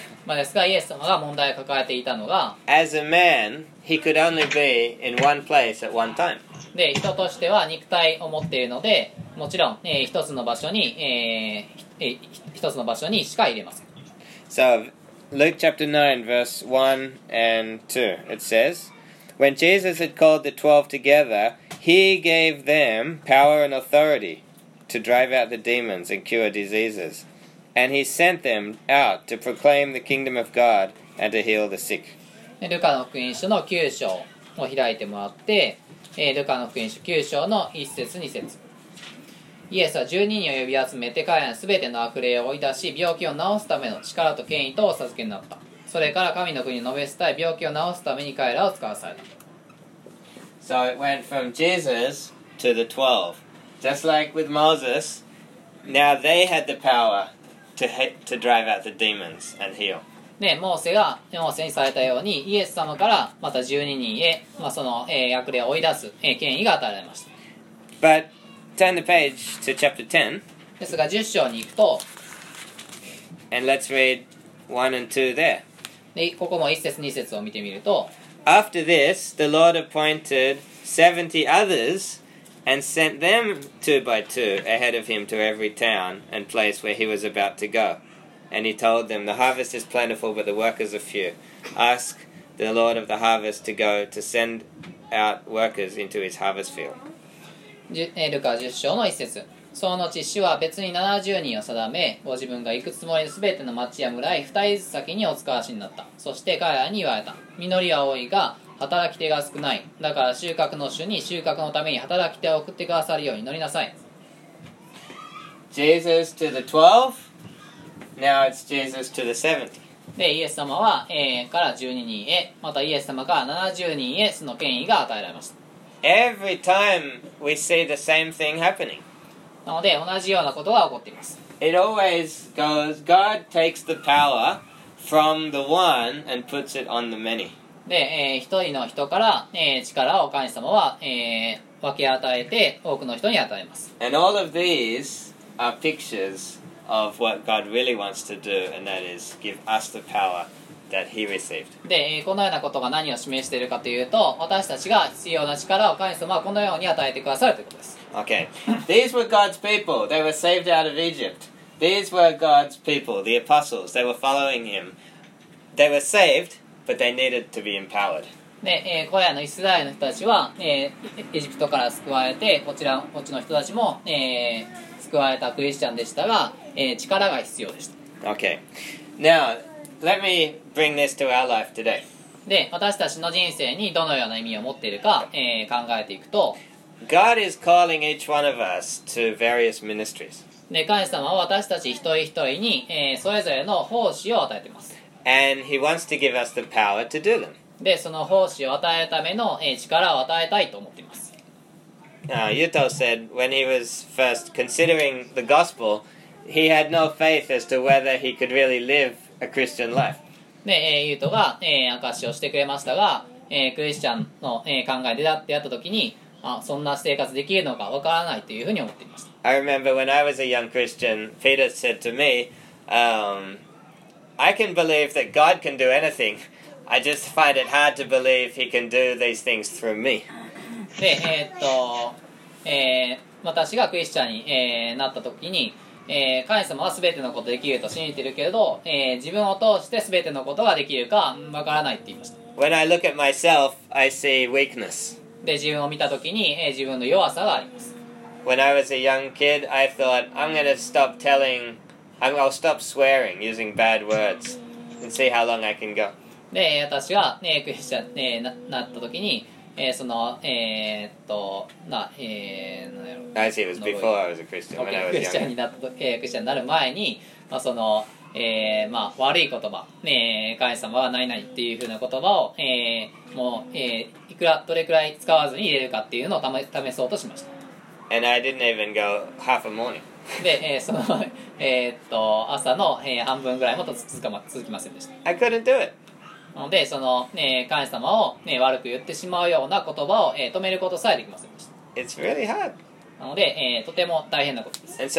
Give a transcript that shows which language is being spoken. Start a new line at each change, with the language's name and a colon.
Japanese: まあですが、イエス様が問題を抱えていたのが、
English: As a man, he could only be in one place at one time.
Japanese: で、人としては肉体を持っているので、もちろん、一つの場所に、一つの場所にしか入れません。
English: So, Luke chapter 9, verse 1 and 2, it says, When Jesus had called the twelve together, he gave them power and authority to drive out the demons and cure diseases. And he sent them out to proclaim the kingdom of God and to heal the sick.
Japanese: ルカの福音書の9章を開いてもらって、ルカの福音書9章の1節2節。イエスは12人を呼び集めて彼らに全ての悪霊を追い出し病気を治すための力と権威とお授けになった。それから神の国に述べ伝え病気を治すために彼らを使わされた。
English: So it went from Jesus to the 12. Just like with Moses, now they had the power to drive out the demons and heal.
Japanese: で、モーセにされたようにイエス様からまた12人へ、その、悪霊を追い出す、権威が与えられました。
English: ButTurn the page to chapter 10.
Japanese: ですが10章に行くと、
English: and let's read 1 and 2 there.
Japanese: で、ここも1節2節を見てみると、
English: After this, the Lord appointed 70 others and sent them two by two ahead of him to every town and place where he was about to go. And he told them, The harvest is plentiful, but the workers are few. Ask the Lord of the harvest to go to send out workers into his harvest field.
Japanese: ルカ10章の1節。その後主は別に70人を定め、ご自分が行くつもりで全ての町や村へ2人ずつ先にお使わしになった。そして彼らに言われた。実りは多いが働き手が少ない。だから収穫の主に収穫のために働き手を送ってくださるように祈りなさい。
English: Jesus to the 12. Now it's Jesus to the 70.
Japanese: でイエス様は、から12人へ、またイエス様から70人へその権威が与えられました。
English: Every time we see the same thing happening.
Japanese: なので同じようなことが起こっています。
English: It always goes, God takes the power from the one and puts it on the many.
Japanese: で、一人の人から、力を神様は、分け与えて多くの人に与えます。
English: And all of these are pictures of what God really wants to do, and that is give us the powerThat he received.
Japanese: で、このようなことが何を示しているかというと、私たちが必要な力を神様はこのように与えてくださるということです。
English: Okay. These were God's people. They were saved out of Egypt. These were God's people, the apostles. They were following him. They were saved, but they needed to be empowered.
Japanese: で、これらのイスラエルの人たちは、エジプトから救われて、こっちの人たちも、救われたクリスチャンでしたが、力が必要でした。
English: Okay. Now,Let me bring this to our life today.
Japanese: で、私たちの人生にどのような意味を持っているか、考えていくと、
English: God is calling each one of us to various ministries.
Japanese: で、神様は私たち一人一人に、それぞれの奉仕を与えています。
English: And he wants to give us the power to do them.
Japanese: で、その奉仕を与えるための、力を与えたいと思っています。
English: Now, Yuto said when he was first considering the gospel, he had no faith as to whether he could really liveA Christian life.
Japanese: で、ユートが、証しをしてくれましたが、クリスチャンの、考えで出会った時に、そんな生活できるのかわからないというふうに思っていました。
English: I remember when I was a young Christian, Peter said to me, I can believe that God can do anything. I just find it hard to believe He can do these things through me.
Japanese: で、私がクリスチャンに、なった時に、神様は全てのことできると信じているけれど、自分を通して全てのことができるかわからないって言いました。
English: When I look at myself, I see weakness.
Japanese: で、自分を見たときに、自分の弱さがあります。
English: When I was a young kid, I thought, I'll stop swearing, using bad words, and see how long I can go.
Japanese: で、私が、クリスチャン、なったときに、
English: I see it was before I was a Christian when I was young.
Japanese: クリスチャンになる前に、その、まあ、悪い言葉、神様は何々っていう風な言葉を、もう、いくらどれくらい使わずに入れるかっていうのを試そうとしました。
English: And I didn't even go half a morning.
Japanese: で、その、朝の、半分ぐらいも続きませんでした。
English: I couldn't do it.
Japanese: なので、その、神様を、悪く言ってしまうような言葉を、止めることさえできませんでした。
English: It's really hard.
Japanese: なので、とても大変なことです。